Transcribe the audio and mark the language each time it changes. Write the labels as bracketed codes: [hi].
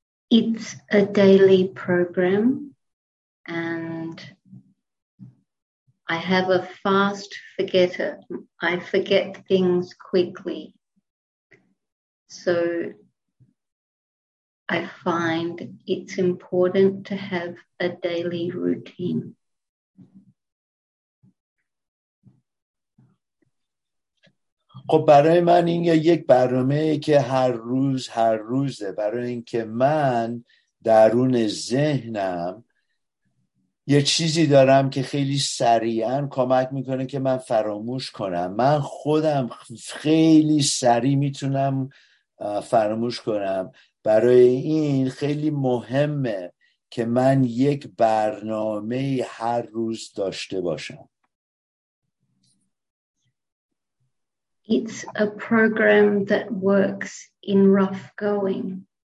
[en] It's a daily program and I have a fast forgetter. I forget things quickly. So I find it's important to have a daily routine. [fa] خب برای من این یک برنامه که هر روز هر روزه، برای اینکه من درون ذهنم یه چیزی دارم که خیلی سریعا کمک میکنه که من فراموش کنم. من خودم خیلی سریع میتونم فراموش کنم، برای این خیلی مهمه که من یک برنامه هر روز داشته باشم. [en] It's a program that works in rough going.